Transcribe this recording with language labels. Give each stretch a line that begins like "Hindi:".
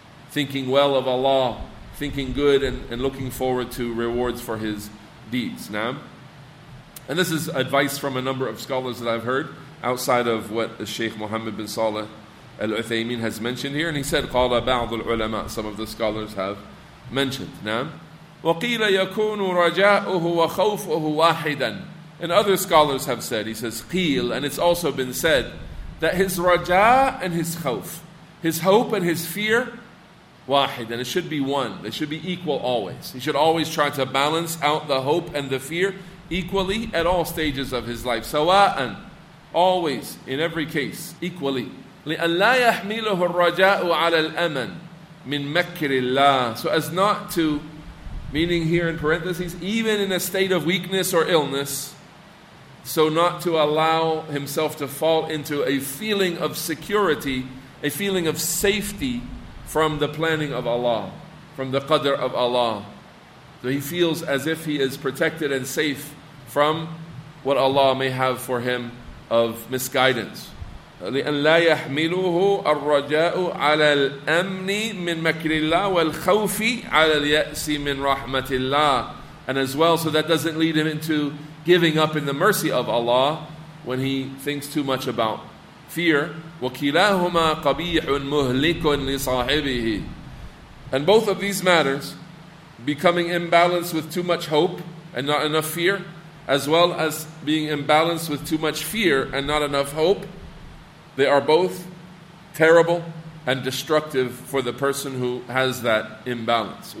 English: Thinking well of Allah, thinking good and looking forward to rewards for his deeds. Now, and this is advice from a number of scholars that I've heard outside of what the Shaykh Muhammad bin Salih Al-Uthaymeen has mentioned here, and he said,
Arabic: قَالَ بَعْضُ الْعُلَمَاءِ,
English: some of the scholars have mentioned.
Arabic: نعم. وَقِيلَ يَكُونُ رَجَاءُهُ وَخَوْفُهُ وَاحِدًا.
English: And other scholars have said, he says, قِيل, and it's also been said, that his raja and his khawf, his hope and his fear, واحد, and it should be one, they should be equal always. He should always try to balance out the hope and the fear equally at all stages of his life. سَوَاءً, always, in every case, equally.
Arabic: لِأَلَّا يَحْمِلُهُ الرَّجَاءُ عَلَى الْأَمَنِ مِنْ مَكِّرِ اللَّهِ.
English: So as not to, meaning here in parentheses, even in a state of weakness or illness, so not to allow himself to fall into a feeling of security, a feeling of safety from the planning of Allah, from the qadr of Allah. So he feels as if he is protected and safe from what Allah may have for him of misguidance.
Arabic: لأن لا يحمله الرجاء على الأمن من مكر الله والخوف على اليأس من رحمة الله.
English: And as well, so that doesn't lead him into giving up in the mercy of Allah when he thinks too much about fear.
Arabic: وكلاهما قبيح مهلك لصاحبه.
English: And both of these matters, becoming imbalanced with too much hope and not enough fear, as well as being imbalanced with too much fear and not enough hope, they are both terrible and destructive for the person who has that imbalance.